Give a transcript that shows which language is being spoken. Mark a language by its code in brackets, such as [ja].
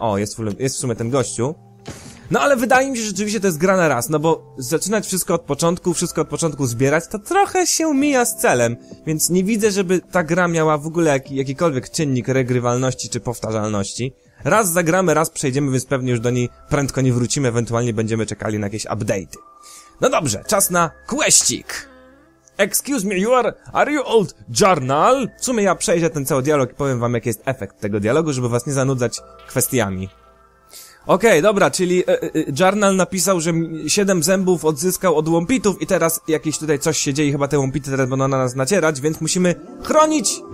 [pl] O, jest w sumie ten gościu. No ale wydaje mi się, że rzeczywiście to jest gra na raz, no bo zaczynać wszystko od początku zbierać, to trochę się mija z celem, więc nie widzę, żeby ta gra miała w ogóle jakikolwiek czynnik regrywalności czy powtarzalności. Raz zagramy, raz przejdziemy, więc pewnie już do niej prędko nie wrócimy, ewentualnie będziemy czekali na jakieś update'y. No dobrze, czas na questik! [en] Excuse me, are you old journal? [pl] W sumie ja przejrzę ten cały dialog i powiem wam, jaki jest efekt tego dialogu, żeby was nie zanudzać kwestiami. Okej, dobra, czyli journal napisał, że 7 zębów odzyskał od łompitów i teraz jakieś tutaj coś się dzieje, chyba te łompity teraz będą na nas nacierać, więc musimy chronić!